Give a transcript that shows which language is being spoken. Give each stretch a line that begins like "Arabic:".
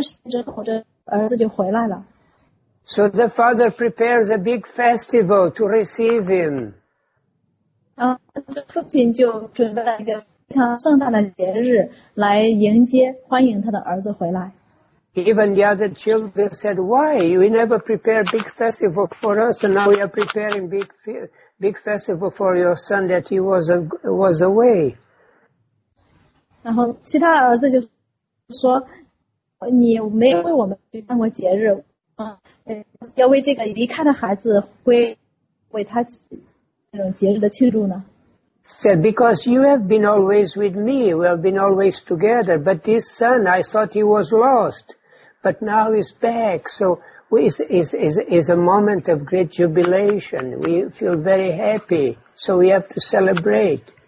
Chinese: 过了一段时间之后，这儿子就回来了。
English: So the father prepares a big festival to receive him.
Chinese: 然后父亲就准备了一个。非常盛大的节日来迎接欢迎他的儿子回来。
English: Even the other children said, why? We never prepare big festival for us, and now we are preparing big festival for your son that he was away.
Chinese: 然后其他儿子就说，你没为我们办过节日，要为这个离开的孩子，为他这种节日的庆祝呢。
English: Said, because you have been always with me, we have been always together, but this son, I thought he was lost, but now he's back, so it's a moment of great jubilation. We feel very happy, so we have to celebrate.